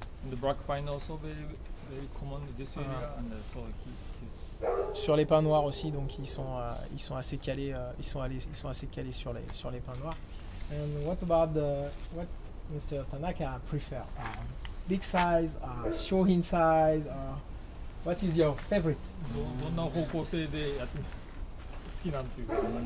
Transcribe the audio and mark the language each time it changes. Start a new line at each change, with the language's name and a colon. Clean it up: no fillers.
English: The black pine also very common in this area. And so
French: sur les pins noirs aussi, donc ils sont assez calés, ils sont assez calés sur les pins noirs.
English: And what about what Mr. Tanaka prefer? Big size, showing size, what is your favorite?
Japanese: どんな方向性で好きなんていうか。